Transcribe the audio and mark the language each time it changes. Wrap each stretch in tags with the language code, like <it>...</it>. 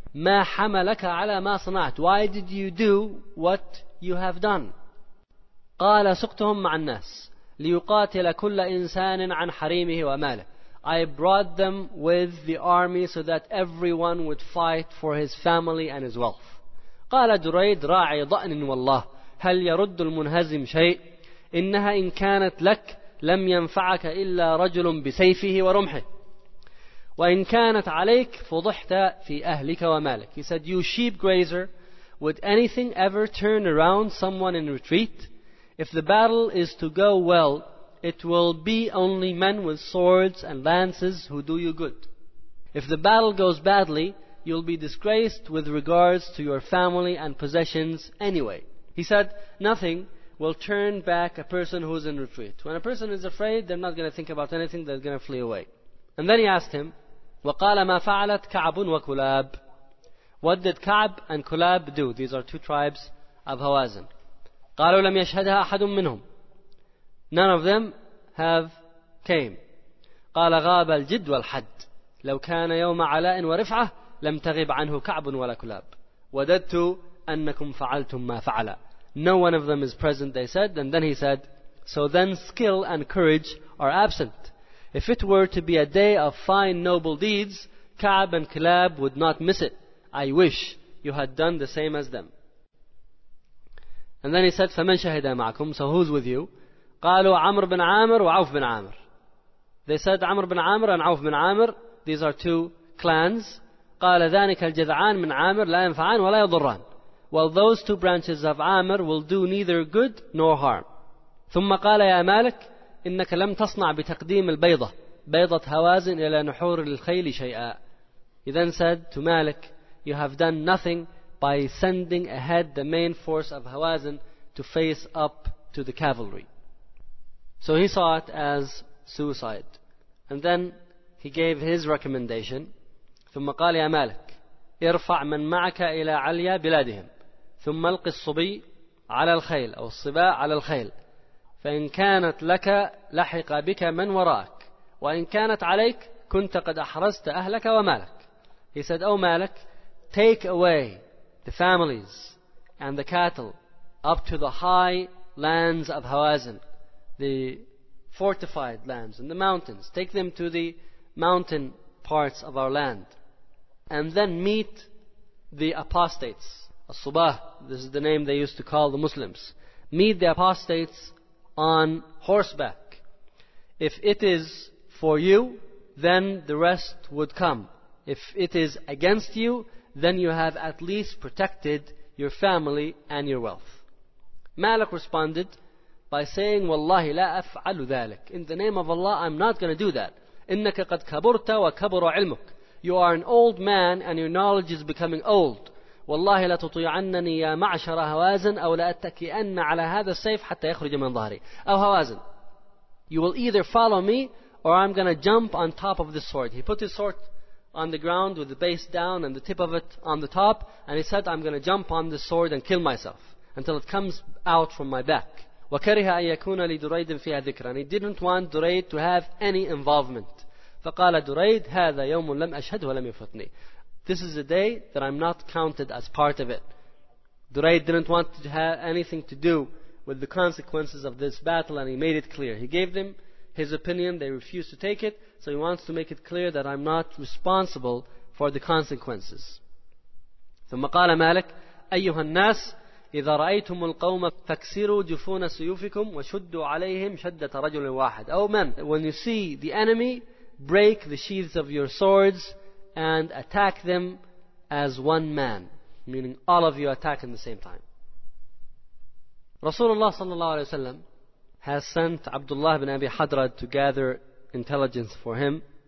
<ar>مَا حَمَلَكَ عَلَى مَا صَنَعْتُ</ar> <en>Why did you do what you have done?</en> <ar>قَالَ سُقْتُهُمْ مَعَ النَّاسِ لِيُقَاتِلَ كُلَّ إِنسَانٍ عَنْ حَرِيمِهِ وَمَالِهِ</ar> <en>I brought them with the army so that everyone would fight for his family and his wealth.</en> <ar>قَالَ دُرَيْدْ رَاعِ ضَأْنٍ وَاللَّهِ هَلْ يَرُدُّ الْمُنْهَزِمْ شَيْءٍ إِنَّهَا إِنْ كَانَتْ لَكْ لَمْ يَنْفَعَكَ إِلَّا رَجُلٌ بِسَيْفِهِ وَرُمْحِهِ وَإِنْ كَانَتْ عَلَيْكَ فُضُحْتَ فِي أَهْلِكَ وَمَالِكَ</ar> <en>He said, you sheep grazer, would anything ever turn around someone in retreat? If the battle is to go well, it will be only men with swords and lances who do you good. If the battle goes badly, you'll be disgraced with regards to your family and possessions anyway. He said, nothing will turn back a person who's in retreat. When a person is afraid, they're not going to think about anything, they're going to flee away. And then he asked him,</en> <ar>وَقَالَ مَا فَعَلَتْ كَعْبٌ وَكُلَابٌ</ar> <en>What did Ka'b and Kulab do? These are two tribes of Hawazin.</en> <ar>قَالُوا لَمْ يَشْهَدَهَا أَحَدٌ مِّنْهُمْ</ar> <en>None of them have came.</en> <ar>قَالَ غَابَ الْجِدُّ وَالْحَدُّ لَوْ كَانَ يَوْمَ عَلَاءٍ وَرِفْعَةٍ لَمْ تَغِبْ عَنْهُ كَعْبٌ وَلَا كُلَابٌ وَدَدْتُ أَنَّكُمْ فَعَلْتُمْ مَا فَعَلَ</ar> <en>No one of them is present, they said. And then he said, So then skill and courage are absent. If it were to be a day of fine noble deeds, Ka'b and Kilab would not miss it. I wish you had done the same as them. And then he said,</en> <ar>فَمَنْ شَهِدَ مَعَكُمْ</ar> <en>So who's with you?</en> <ar>قَالُوا</ar> <en>عَمْرُ بِنْ عَامِرُ وَعَوْفْ بِنْ عَامِرُ They said, عَمْرُ بِنْ عَامِرُ and عَوْفْ بِنْ عَامِرُ These are two clans.</en> <ar>قَالَ ذَانِكَ الْجَذْعَانِ مِنْ عَامِرُ لَا يَنْفَعَانِ وَلَا يَضُرَّانِ</ar> <en>Well, those two branches of عَامِرُ will do neither good nor harm.</en> <ar>ثُمَّ قَالَ يَا مَالِكُ إِنَّكَ لَمْ تَصْنَعْ بِتَقْدِيمِ الْبَيْضَةِ بَيْضَةَ هَوَازِنْ إِلَى نُحُورِ الْخَيْلِ شَيْئًا</ar> <en>He then said to Malik, You have done nothing by sending ahead the main force of Hawazin to face up to the cavalry. So he saw it as suicide. And then he gave his recommendation.</en> <ar>ثُمَّ قَالَ يَا مَالِكَ اِرْفَعْ مَنْ مَعَكَ إِلَىٰ عَلْيَا بِلَادِهِمْ ثُمَّ الْقِ الصُّبِي عَلَى الْخَيْلِ أو الصِّبَاء عَلَى الْخَيْلِ فَإِنْ كَانَتْ لَكَ لَحِقَ بِكَ مَنْ وَرَاكَ وَإِنْ كَانَتْ عَلَيْكَ كُنْتَ قَدْ أَحْرَزْتَ أَهْلَكَ وَمَالَكَ</ar> <en>He said, O Malik, take away the families and the cattle up to the high lands of Hawazin. The fortified lands and the mountains. Take them to the mountain parts of our land. And then meet the apostates. As-Subah, this is the name they used to call the Muslims. Meet the apostates on horseback. If it is for you, then the rest would come. If it is against you, then you have at least protected your family and your wealth. Malik responded, by saying,</en> <ar>وَاللَّهِ لَا أَفْعَلُ ذَلِكَ</ar> <en>In the name of Allah, I'm not going to do that.</en> <ar>إِنَّكَ قَدْ كَبُرْتَ وَكَبُرَ عِلْمُكَ</ar> <en>You are an old man and your knowledge is becoming old.</en> <ar>وَاللَّهِ لَتُطِيعَنَّنِي يَا مَعْشَرَ هَوَازِنْ أَوْ لَأَتَّكِئَنَّ عَلَى هَذَا السَّيْفِ حَتَّى يَخْرُجَ مِنْ ظَهْرِي أَوْ هَوَازِنْ</ar> <en>You will either follow me or I'm going to jump on top of this sword. He put his sword on the ground with the base down and the tip of it on the top. And he said, I'm going to jump on this sword and kill myself until it comes out from my back.</en> <ar>وَكَرِهَا أَن يَكُونَ لِدُرَيْدٍ فِيهَا ذِكْرًا</ar> <en>He didn't want Durayd to have any involvement.</en> <ar>فَقَالَ دُرَيْدْ هَذَا يَوْمٌ لَمْ أَشْهَدْ وَلَمْ يُفُتْنِي</ar> <en>This is a day that I'm not counted as part of it. Durayd didn't want to have anything to do with the consequences of this battle and he made it clear. He gave them his opinion, they refuse to take it, so he wants to make it clear that I'm not responsible for the consequences.</en> <ar>ثم قال مالك أيها الناس إذا رأيتم القوم فكسروا جفون سيوفكم وشدوا عليهم شدة رجل واحد.</ar> <en>Oh men, when you see the enemy, break the sheaths of your swords and attack them as one man, meaning all of you attack in the same time. Rasulullah sallallahu alayhi wa sallam has sent Abdullah ibn Abi Hadrad to gather intelligence for him.</en>